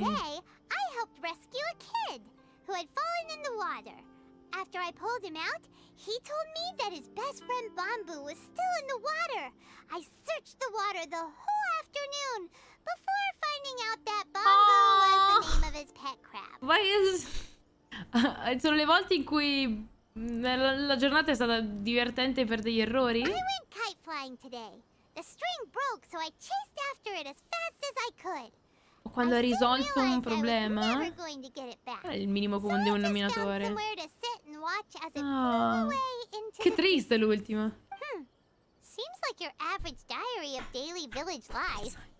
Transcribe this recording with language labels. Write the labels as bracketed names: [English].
[English] Today, I helped rescue a kid who had fallen in the water. After I pulled him out, he told me that his best friend Bamboo was still in the water. I searched the water the whole afternoon before finding out that Bamboo was the name of his pet crab. Why is... [Italian] sono le volte in cui la giornata è stata divertente per degli errori? [English] I went kite flying today. The string broke, so I chased after it as fast as I could. [Italian] Quando ha risolto un problema, è il minimo comune denominatore. Oh, che triste l'ultima. [English] Seems like your average diary of daily village life.